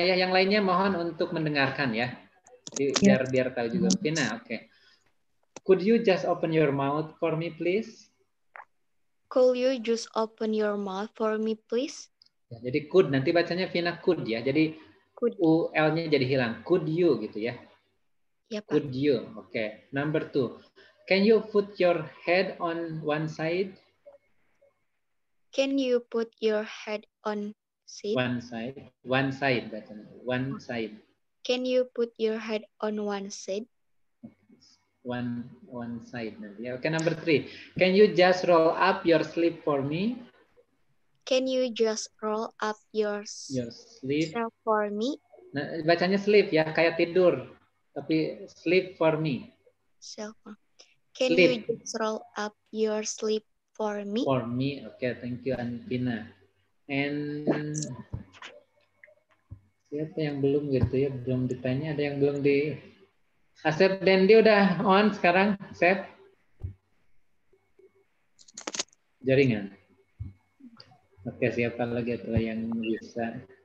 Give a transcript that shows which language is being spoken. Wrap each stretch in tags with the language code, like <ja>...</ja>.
<id>Ya, yang lainnya mohon untuk mendengarkan ya. Biar tahu juga. Vina, oke. Okay.</id> <en>Could you just open your mouth for me, please? Could you just open your mouth for me, please?</en> <id>Jadi could, nanti bacanya Vina could ya. Jadi, UL-nya jadi hilang.</id> <en>Could you</en> <id>gitu ya? Ya Pak.</id> <en>Could you? Oke. Okay. Number two. Can you put your head on one side? Can you put your head on side? One side. One side. One side. Can you put your head on one side? One side. Oke. Okay, number three. Can you just roll up your sleeve for me? Can you just roll up your sleeve for me?</en> <id>Nah, bacanya sleeve ya, kayak tidur. Tapi</id> <en>sleeve for me. Can you just roll up your sleeve for me? For me, okay, thank you, Antina.</en> <id>And siapa yang belum gitu ya, belum ditanya, ada yang belum di... Asep Dendi udah on sekarang, Asep. Jaringan. Oke, siapa lagi atau yang bisa?</id>